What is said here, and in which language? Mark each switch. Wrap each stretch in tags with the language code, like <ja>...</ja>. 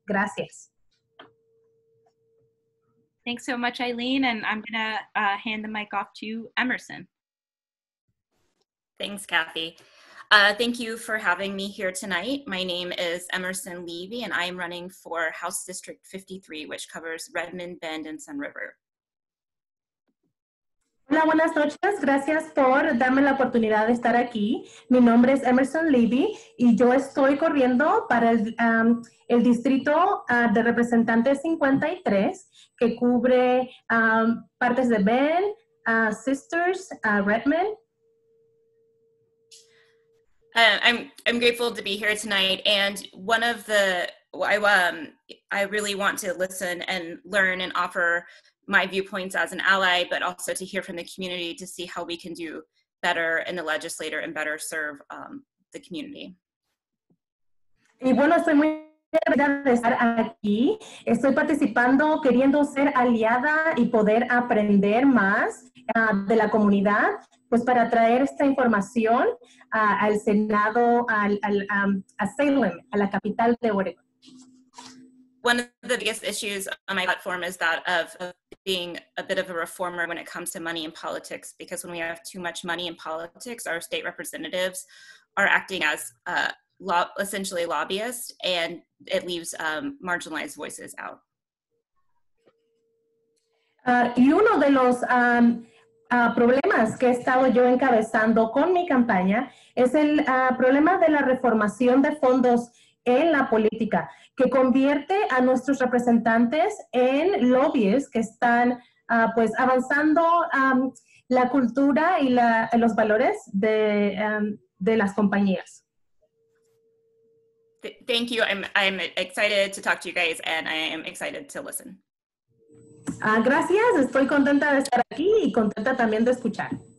<es>Gracias.</es> <en>Thanks so much, Eileen, and I'm going to hand the mic off to Emerson. Thanks, Kathy. Thank you for having me here tonight. My name is Emerson Levy, and I am running for House District 53, which covers Redmond, Bend, and Sun River.</en> <es>Hola, buenas noches. Gracias por darme la oportunidad de estar aquí. Mi nombre es Emerson Levy, y yo estoy corriendo para el Distrito de Representantes 53, que cubre partes de Bend, Sisters, Redmond.</es> <en>I'm grateful to be here tonight, and one of the, I really want to listen and learn and offer my viewpoints as an ally, but also to hear from the community to see how we can do better in the legislature and better serve the community.</en> <es>Y bueno, estoy muy agradecida de estar aquí. Estoy participando, queriendo ser aliada y poder aprender más de la comunidad. Pues para traer esta información al Senado, a Salem, a la capital de Oregon.</es> <en>One of the biggest issues on my platform is that of being a bit of a reformer when it comes to money in politics, because when we have too much money in politics, our state representatives are acting as essentially lobbyists, and it leaves marginalized voices out.</en> <es>Y uno de los problemas que he estado yo encabezando con mi campaña es el problema de la reformación de fondos en la política, que convierte a nuestros representantes en lobbies que están pues avanzando la cultura y los valores de las compañías.</es> <en>Thank you. I'm excited to talk to you guys, and I am excited to listen.</en> <es>Gracias, estoy contenta de estar aquí y contenta también de escuchar.</es>